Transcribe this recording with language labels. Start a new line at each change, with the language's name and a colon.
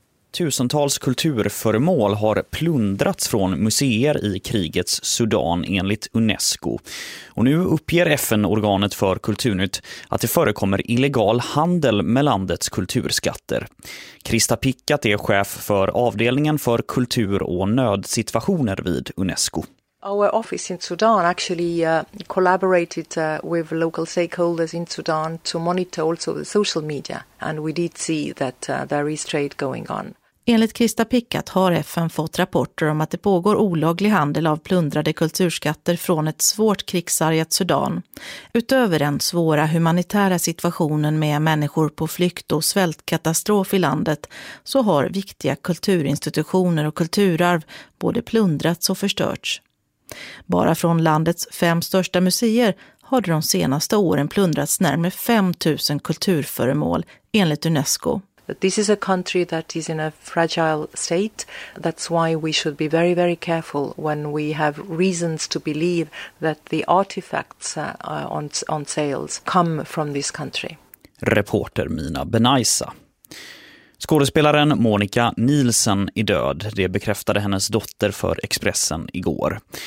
Swedish: Tusentals kulturföremål har plundrats från museer i krigets Sudan enligt UNESCO. Och nu uppger FN-organet för kulturnytt att det förekommer illegal handel med landets kulturskatter. Krista Pickat är chef för avdelningen för kultur- och nödsituationer vid UNESCO.
English: Our office in Sudan actually collaborated with local stakeholders in Sudan to monitor also the social media, and we did see that there is trade going on.
Swedish: Enligt Krista Pickat har FN fått rapporter om att det pågår olaglig handel av plundrade kulturskatter från ett svårt krigsargat Sudan. Utöver den svåra humanitära situationen med människor på flykt och svältkatastrof i landet så har viktiga kulturinstitutioner och kulturarv både plundrats och förstörts. Bara från landets fem största museer har de senaste åren plundrats närmare 5000 kulturföremål enligt UNESCO.
English: This is a country that is in a fragile state. That's why we should be very, very careful when we have reasons to believe that the artifacts on sales come from this country.
Swedish: Reporter Mina Benaisa. Skådespelaren Monica Nielsen är död, det bekräftade hennes dotter för Expressen igår.